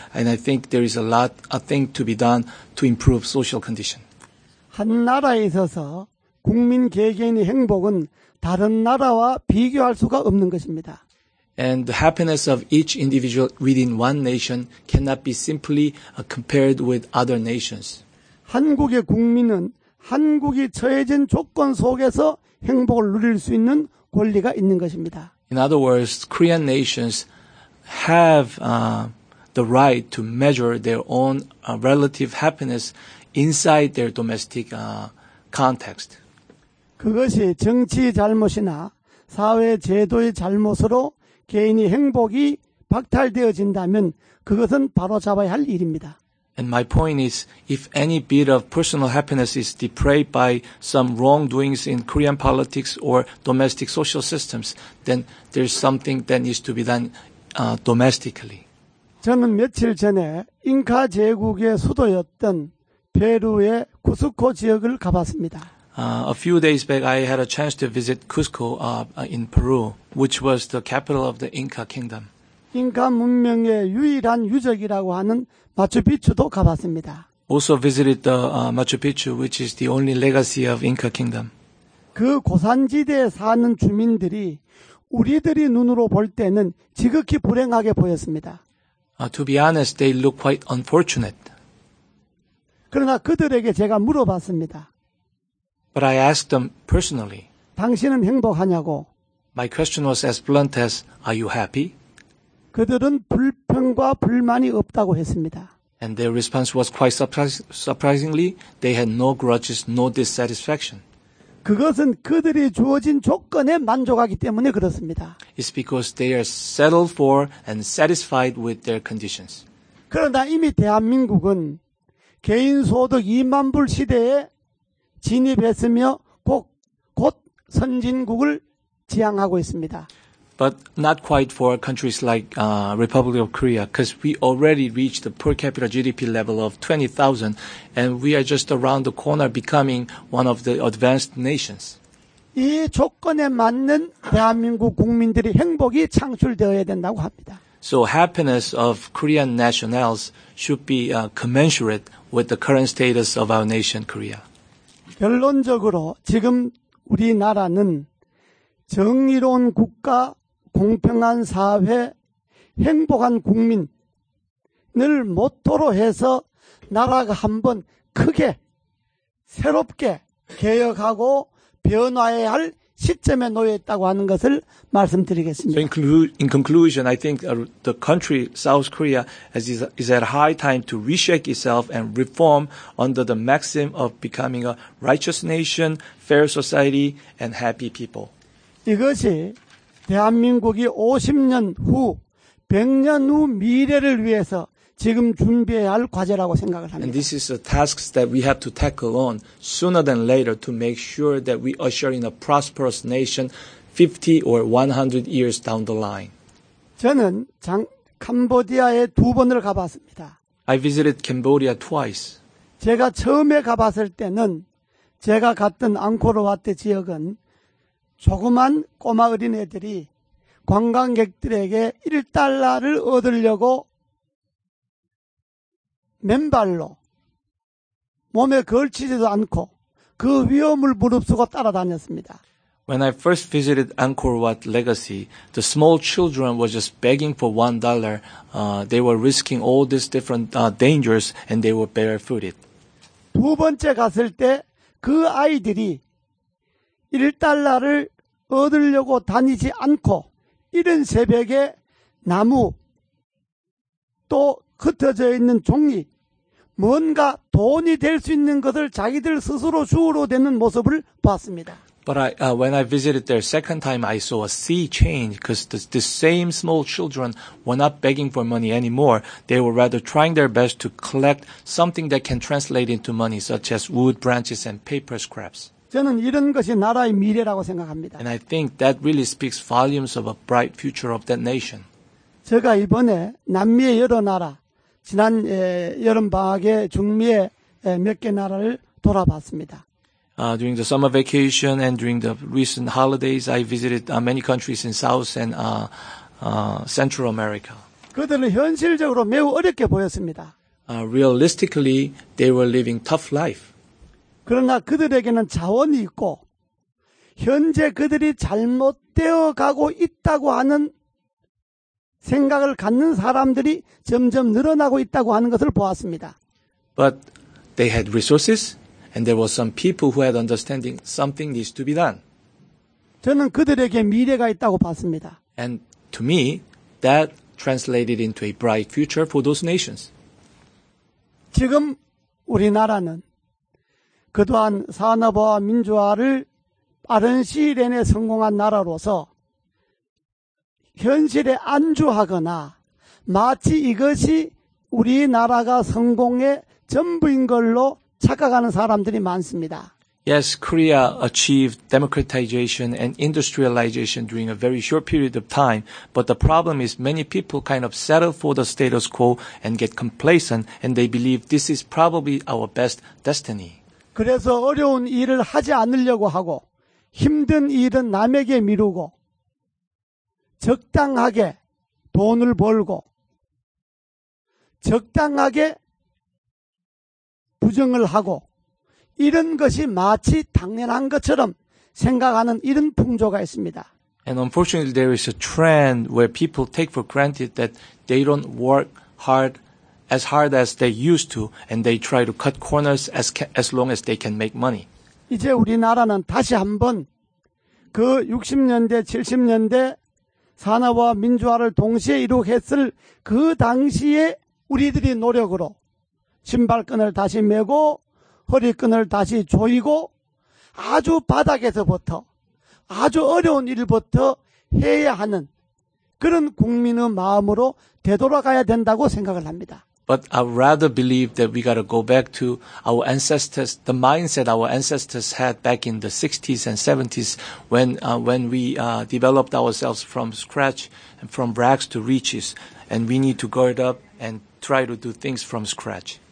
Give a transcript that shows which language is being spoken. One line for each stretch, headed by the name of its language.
English: And I think there is a thing to be done to improve social condition.
Korean: 한 나라에 있어서 국민 개개인의 행복은 다른 나라와 비교할 수가 없는 것입니다.
English: And the happiness of each individual within one nation cannot be simply compared with other nations.
Korean: 한국의 국민은 한국이 처해진 조건 속에서 행복을 누릴 수 있는 권리가 있는 것입니다.
English: In other words, Korean nations have the right to measure their own relative happiness inside their domestic context.
Korean: 그것이 정치의 잘못이나 사회 제도의 잘못으로 개인의 행복이 박탈되어진다면 그것은 바로잡아야 할 일입니다.
English: And my point is, if any bit of personal happiness is depraved by some wrongdoings in Korean politics or domestic social systems, then there's something that needs to be done domestically.
Korean: 저는 며칠 전에 잉카 제국의 수도였던 페루의 쿠스코 지역을 가봤습니다.
English: A few days back, I had a chance to visit Cusco in Peru, which was the capital of the Inca kingdom.
Korean: 잉카 문명의 유일한 유적이라고 하는 마추픽추도 가봤습니다.
English: Also visited the Machu Picchu, which is the only legacy of Inca kingdom.
Korean: 그 고산지대에 사는 주민들이 우리들이 눈으로 볼 때는 지극히 불행하게 보였습니다.
English: To be honest, they look quite unfortunate.
Korean: 그러나 그들에게 제가 물어봤습니다.
English: But I asked them personally.
Korean: 당신은 행복하냐고.
English: My question was as blunt as, are you happy?
Korean: 그들은 불평과 불만이 없다고 했습니다.
English: And their response was quite surprisingly, they had no grudges, no dissatisfaction.
Korean: 그것은 그들이 주어진 조건에 만족하기 때문에 그렇습니다.
English: It's because they are settled for and satisfied with their conditions.
Korean: 그러나 이미 대한민국은 개인소득 2만 불 시대에 진입했으며 곧 선진국을 지향하고 있습니다.
English: But not quite for countries like Republic of Korea, because we already reached the per capita GDP level of 20,000, and we are just around the corner becoming one of the advanced nations.
Korean: 이 조건에 맞는 대한민국 국민들의 행복이 창출되어야 된다고 합니다.
English: So happiness of Korean nationals should be commensurate with the current status of our nation, Korea.
Korean: 결론적으로 지금 우리나라는 정의로운 국가, 공평한 사회, 행복한 국민을 모토로 해서 나라가 한번 크게, 새롭게 개혁하고 변화해야 할 시점에 놓여 있다고 하는 것을 말씀드리겠습니다.
English: So in conclusion, I think the country, South Korea, is at high time to reshape itself and reform under the maxim of becoming a righteous nation, fair society, and happy people.
Korean: 이것이 대한민국이 50년 후, 100년 후 미래를 위해서 지금 준비해야 할 과제라고 생각을 합니다.
English: And this is a task that we have to tackle on sooner than later to make sure that we usher in a prosperous nation 50 or 100 years down the line.
Korean: 저는 캄보디아에 두 번을 가봤습니다.
English: I visited Cambodia twice.
Korean: 제가 처음에 가봤을 때는 제가 갔던 앙코르와트 지역은 조그만 꼬마 어린애들이 관광객들에게 1달러를 얻으려고 맨발로 몸에 걸치지도 않고 그 위험을 무릅쓰고 따라다녔습니다.
English: When I first visited Angkor Wat Legacy, the small children were just begging for $1. They were risking all these different dangers and they were barefooted.
Korean: 두 번째 갔을 때 그 아이들이 1달러를 얻으려고 다니지 않고 이른 새벽에 나무 또 흩어져 있는 종이 뭔가 돈이 될 수 있는 것을 자기들 스스로 주우로 되는 모습을 봤습니다.
English: But when I visited there second time, I saw a sea change because the same small children were not begging for money anymore. They were rather trying their best to collect something that can translate into money, such as wood branches and paper scraps.
Korean: 저는 이런 것이 나라의 미래라고 생각합니다.
English: And I think that really speaks volumes of a bright future of that nation.
Korean: 제가 이번에 남미의 여러 나라, 지난 여름방학에 중미의 몇 개 나라를 돌아봤습니다.
English: During the summer vacation and during the recent holidays, I visited many countries in South and Central America.
Korean: 그들은 현실적으로 매우 어렵게 보였습니다.
English: Realistically, they were living tough life.
Korean: 그러나 그들에게는 자원이 있고 현재 그들이 잘못되어 가고 있다고 하는 생각을 갖는 사람들이 점점 늘어나고 있다고 하는 것을 보았습니다.
English: But they had resources and there were some people who had understanding something needs to be done.
Korean: 저는 그들에게 미래가 있다고 봤습니다.
English: And to me, that translated into a bright future for those nations.
Korean: 지금 우리나라는 그동안 산업화와 민주화를 빠른 시일 내에 성공한 나라로서 현실에 안주하거나 마치 이것이 우리나라가 성공의 전부인 걸로 착각하는 사람들이 많습니다.
English: Yes, Korea achieved democratization and industrialization during a very short period of time, but the problem is many people kind of settle for the status quo and get complacent and they believe this is probably our best destiny.
Korean: 그래서 어려운 일을 하지 않으려고 하고 힘든 일은 남에게 미루고 적당하게 돈을 벌고 적당하게 부정을 하고 이런 것이 마치 당연한 것처럼 생각하는 이런 풍조가 있습니다.
English: And unfortunately there is a trend where people take for granted that they don't work hard as hard as they used to, and they try to cut corners as long as they can make money.
Korean: 이제 우리나라는 다시 한번 그 60년대, 70년대 산업화와 민주화를 동시에 이루었을 그 당시에 우리들이 노력으로 신발끈을 다시 메고 허리끈을 다시 조이고 아주 바닥에서부터 아주 어려운 일부터 해야 하는 그런 국민의 마음으로 되돌아가야 된다고 생각을 합니다.
English: But I'd rather believe that we got to go back to our ancestors, the mindset our ancestors had back in the 60s and 70s when we developed ourselves from scratch and from rags to riches. And we need to guard up and try to do things from scratch.